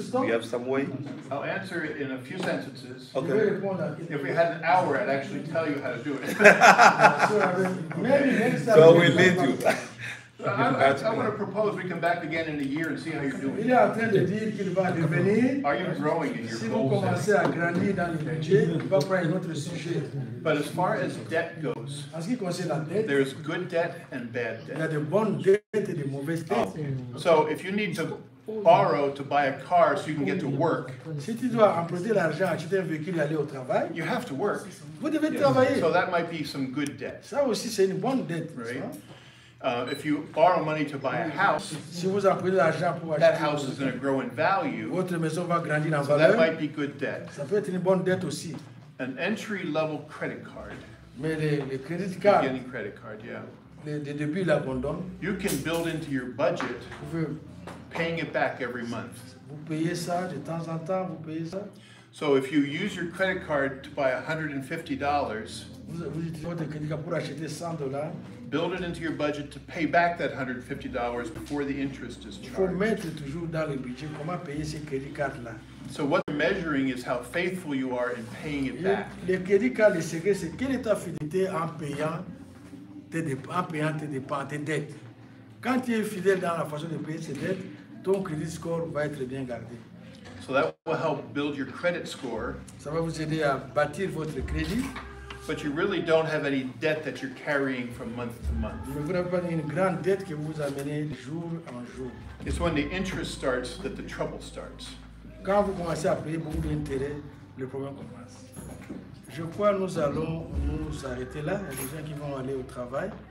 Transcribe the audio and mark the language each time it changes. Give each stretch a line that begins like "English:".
English: Do you have some way? I'll answer it in a few sentences. Okay. If we had an hour, I'd actually tell you how to do it. So we need you. I want to propose we come back again in a year and see how you're doing.
French: Il est en train de dire
English: Are you growing in your
French: Si vous commencez à grandir dans le budget, il va prendre un autre sujet.
English: But as far as debt goes,
French: en ce qui concerne la dette,
English: there is good debt and bad debt.
French: Il y a de bonnes dettes et de mauvaises dettes.
English: So if you need to borrow to buy a car so you can get to work.
French: Si tu dois emprunter l'argent, acheter un véhicule et aller au travail.
English: You have to work.
French: Vous devez travailler.
English: So that might be some good debt.
French: Ça aussi c'est une bonne dette.
English: Right. If you borrow money to buy a house,
French: si vous empruntez l'argent pour acheter,
English: that house is going to grow in value.
French: Votre maison va grandir en so valeur.
English: That might be good debt.
French: Ça peut être une bonne dette aussi.
English: An entry level credit card.
French: Mais les credit card.
English: Beginning credit card, yeah.
French: Le début l'abandon.
English: You can build into your budget, paying it back every month.
French: Vous payez ça de temps en temps, vous payez ça.
English: So if you use your credit card to buy $150,
French: vous utilisez votre credit card pour acheter $100.
English: Build it into your budget to pay back that $150 before the interest is charged.
French: Faut mettre toujours dans le budget comment payer ces crédits cartes là.
English: So what they're measuring is how faithful you are in paying it back.
French: Les crédits cartes, le secret, c'est quelle est ta fidélité en payant tes dettes. Quand tu es fidèle dans la façon de payer ces dettes, ton crédit score va être bien gardé.
English: So that will help build your credit score.
French: Ça va vous aider à bâtir votre crédit.
English: But you really don't have any debt that you're carrying from month to month.
French: Mais vous n'avez pas une grande dette que vous amenez jour en jour.
English: It's when the interest starts that the trouble starts.
French: Quand vous commencez à payer beaucoup d'intérêts, le problème commence. Je crois nous allons nous arrêter là. Il y a des gens qui vont aller au travail.